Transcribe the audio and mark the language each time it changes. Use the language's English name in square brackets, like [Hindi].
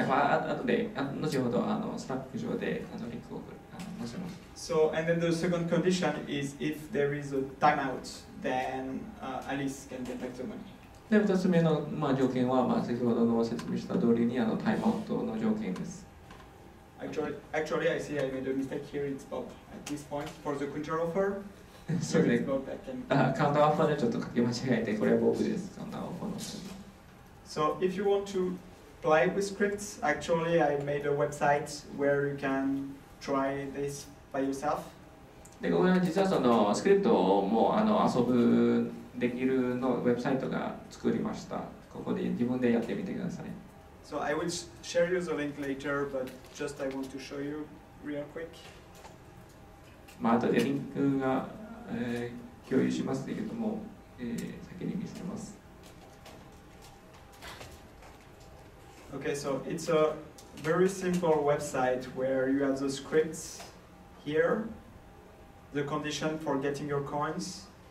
[Japanese] はい、まあ、後で、後ほどあのスラック上であのリンクを送る、あの、載せます。 [English] So, and then the second condition is if there is a timeout, then Alice can get back the money. [Japanese] で、二つ目の、まあ、条件は、まあ、先ほどの説明した通りにあのタイムアウトの条件です。 [English] Actually, I see I made a mistake here. It's Bob at this point for the counter offer. So it's Bob that can... [Japanese] カウンターオファーでちょっと書き間違えて、これは僕です。カウンターオファーの。 [English] So if you want to play with scripts, actually I made a website where you can try this by yourself. [Japanese] で、ここは実はそのスクリプトをもうあの遊ぶできるのウェブサイトが作りました。ここで自分でやってみてください。 [English] So I will share you the link later, but just I want to show you real quick. [Japanese] まあ後でリンクが、共有しますけれども、先に見せます。 [English] Okay, so it's a very simple website where you have the scripts here, the condition for getting your coins.